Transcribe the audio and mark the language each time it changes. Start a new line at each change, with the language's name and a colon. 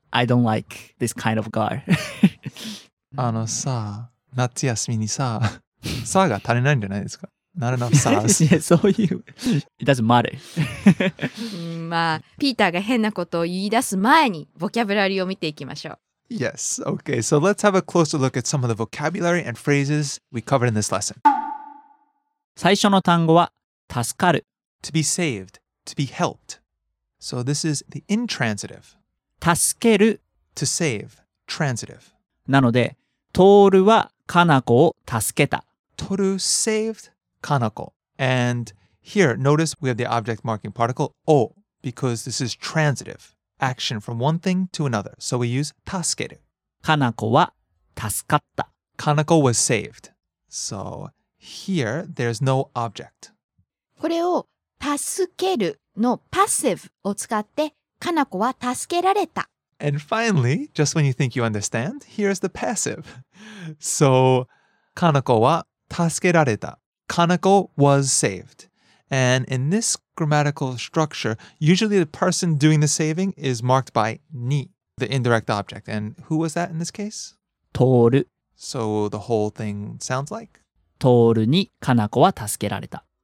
English: I don't like this kind of girl.
Japanese: あのさ、夏休みにさ、さが足りないんじゃないですか。
English: Not enough sauce.
Japanese: そういう。
English: It doesn't matter.
Japanese: まあ、ピーターが変なことを言い出す前に、ボキャブラリーを見ていきましょう。
English: Yes, okay. So let's have a closer look at some of the vocabulary and phrases we covered in this lesson.
Japanese: 最初の単語は、助かる。
English: To be saved. To be helped. So this is the intransitive.
Japanese: 助ける
English: To save. Transitive.
Japanese: なので、トールはカナコを助けた。
English: トール saved カナコ。 And here, notice we have the object marking particle O because this is transitive. Action from one thing to another. So we use 助ける。
Japanese: カナコは助かった。
English: カナコ was saved. So here, there's no object.
Japanese: これを助けるの passive を使って、かなこは助けられた。
English: And finally, just when you think you understand, here's the passive.
Japanese: So, かなこは助けられた。
English: かなこ was saved. And in this grammatical structure, usually the person doing the saving is marked by に, the indirect object. And who was that in this case?
Japanese: とおる。
English: So the whole thing sounds like?
Japanese: とおるにかなこは助けられた。